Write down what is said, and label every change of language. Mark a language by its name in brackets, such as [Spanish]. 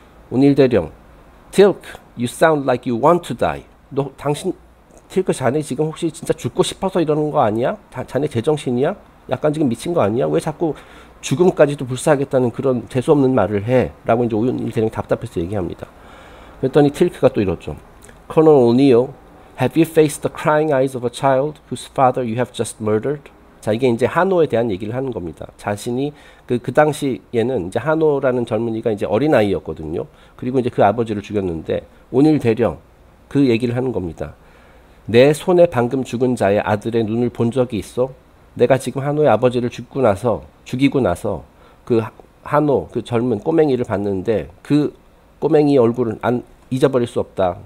[English] 온일 대령, Tilk, you sound like you want to die. [Korean] 너 당신 틸크 자네 지금 혹시 진짜 죽고 싶어서 이러는 거 아니야? 자네 제정신이야? 약간 지금 미친 거 아니야? 왜 자꾸 죽음까지도 불사하겠다는 그런 재수 없는 말을 해? 라고 이제 온일 대령이 답답해서 얘기합니다. 그랬더니 틸크가 또 이러죠. [English] Colonel O'Neill, have you faced the crying eyes of a child whose father you have just murdered? [Korean] 자, 이게 이제 하노에 대한 얘기를 하는 겁니다. 자신이 그 당시에는 이제 하노라는 젊은이가 이제 어린아이였거든요. 그리고 이제 그 아버지를 죽였는데, 온일 대령, 그 얘기를 하는 겁니다. 내 손에 방금 죽은 자의 아들의 눈을 본 적이 있어? 내가 지금 하노의 아버지를 죽이고 나서 그 하노, 그 젊은 꼬맹이를 봤는데, 그 꼬맹이 얼굴을 안 잊어버릴 수 없다.